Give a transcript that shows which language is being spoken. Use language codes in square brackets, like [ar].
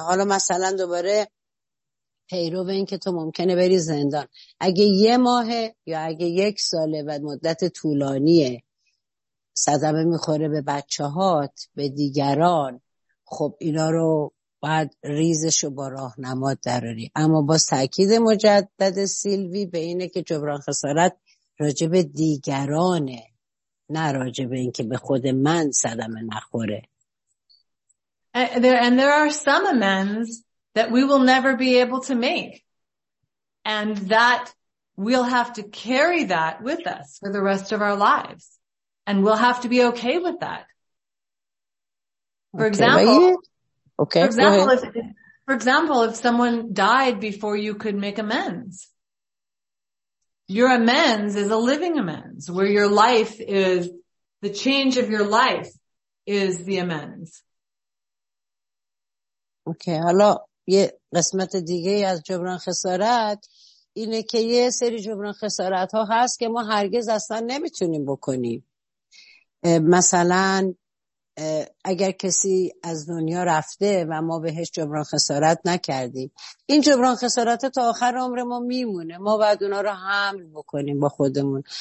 [fa] حالا مثلا دوباره پیرو به این که تو ممکنه بری زندان، اگه یه ماهه یا اگه یک ساله و مدت طولانیه صدمه میخوره به بچه هات، به دیگران، خب اینا رو باید ریزش رو با راهنما دراری. اما با تاکید مجدد سیلوی به اینه که جبران خسارت راجب دیگرانه، نه راجب این که به خود من صدمه نخوره. [en] And there are some amends that we will never be able to make, and that we'll have to carry that with us for the rest of our lives, and we'll have to be okay with that. For example, if someone died before you could make amends, your amends is a living amends, where your life is, the change of your life is the amends. Okay, hello. [fa] یه قسمت دیگه از جبران خسارت اینه که یه سری جبران خسارت ها هست که ما هرگز اصلا نمیتونیم بکنیم. مثلا اگر کسی از دنیا رفته و ما بهش جبران خسارت نکردیم، این جبران خسارت تا آخر عمر ما میمونه، ما باید اونا رو حمل بکنیم با خودمون.